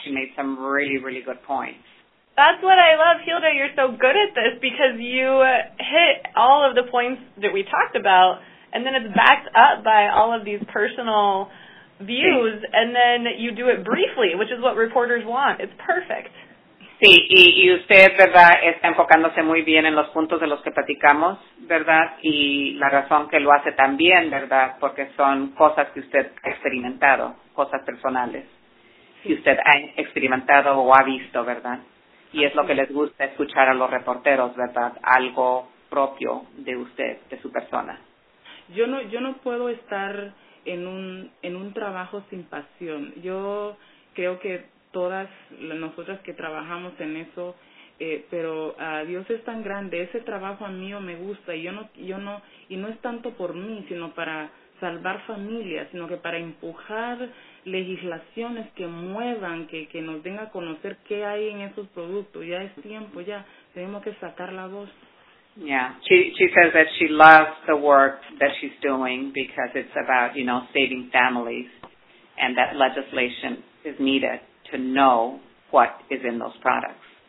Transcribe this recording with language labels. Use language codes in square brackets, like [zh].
[en] She made some really, really good points. That's what I love, Hilda. You're so good at this because you hit all of the points that we talked about, and then it's backed up by all of these personal views, and then you do it briefly, which is what reporters want. It's perfect. [es] Sí, y usted, ¿verdad?, está enfocándose muy bien en los puntos de los que platicamos, ¿verdad?, y la razón que lo hace también, ¿verdad?, porque son cosas que usted ha experimentado, cosas personales, sí, que usted ha experimentado o ha visto, ¿verdad?, y es lo que les gusta escuchar a los reporteros, ¿verdad?, algo propio de usted, de su persona. Yo no puedo estar en un trabajo sin pasión. Yo creo que todas nosotras que trabajamos en eso, pero Dios es tan grande, ese trabajo a mí me gusta, y no es tanto por mí, sino para salvar familias, sino que para empujar legislaciones que muevan, que nos den a conocer qué hay en esos productos. Ya es tiempo, ya tenemos que sacar la voz. [en] Yeah, she says that she loves the work that she's doing because it's about, you know, saving families, and that legislation is needed to know what is in those products.